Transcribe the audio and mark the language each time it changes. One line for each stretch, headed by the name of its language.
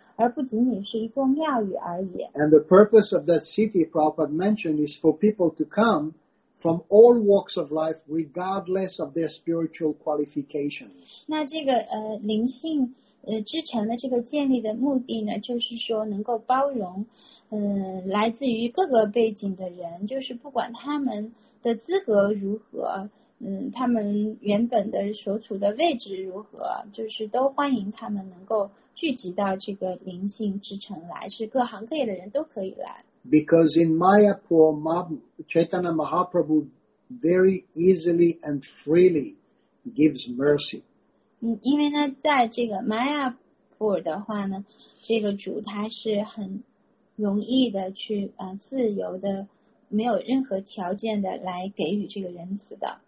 Chinese: 而不仅仅是一座庙宇而已。
English: And the purpose of that city, Prabhupada mentioned, is for people to come from all walks of life, regardless of their spiritual qualifications.
Chinese: 那这个灵性之城的这个建立的目的呢，就是说能够包容来自于各个背景的人，就是不管他们的资格如何，他们原本的所处的位置如何，就是都欢迎他们能够。聚集到这个灵性之城来，是各行各业的人都可以来。
English: Because in Mayapur, Chaitanya Mahaprabhu very easily and freely gives mercy.
Chinese: 因为呢，在这个 Mayapur 的话呢，这个主他是很容易的去自由的，没有任何条件的来给予这个仁慈的。